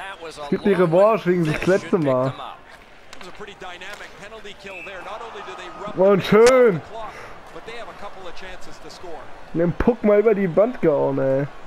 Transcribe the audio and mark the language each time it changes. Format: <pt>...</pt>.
<de>Es gibt die Revanche wegen des letzten Mal.</de> <en>A pretty dynamic penalty kill there. Not only do they run the clock, but they have a couple of chances to score.</en> <de>Nimm Puck mal über die Band gehauen, ey.</de>